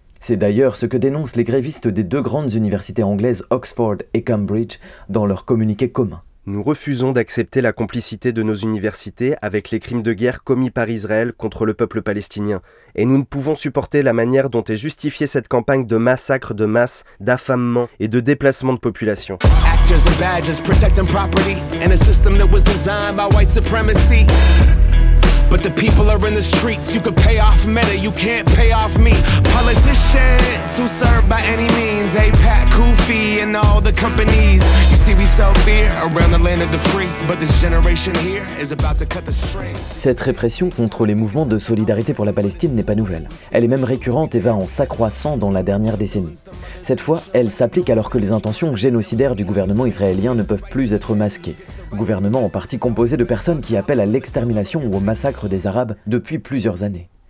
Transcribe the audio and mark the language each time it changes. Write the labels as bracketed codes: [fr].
[fr] C'est d'ailleurs ce que dénoncent les grévistes des deux grandes universités anglaises, Oxford et Cambridge, dans leur communiqué commun. Nous refusons d'accepter la complicité de nos universités avec les crimes de guerre commis par Israël contre le peuple palestinien. Et nous ne pouvons supporter la manière dont est justifiée cette campagne de massacre de masse, d'affamement et de déplacement de population. [en] Actors and badges protecting property in a system that was designed by white supremacy. But the people are in the streets, you could pay off Meta, you can't pay off me. Politicians who serve by any means, APAC, Koofi and all the companies. You see we sell fear around the land of the free, but this generation here is about to cut the string. [fr] Cette répression contre les mouvements de solidarité pour la Palestine n'est pas nouvelle. Elle est même récurrente et va en s'accroissant dans la dernière décennie. Cette fois, elle s'applique alors que les intentions génocidaires du gouvernement israélien ne peuvent plus être masquées. Gouvernement en partie composé de personnes qui appellent à l'extermination ou au massacre des Arabes depuis plusieurs années.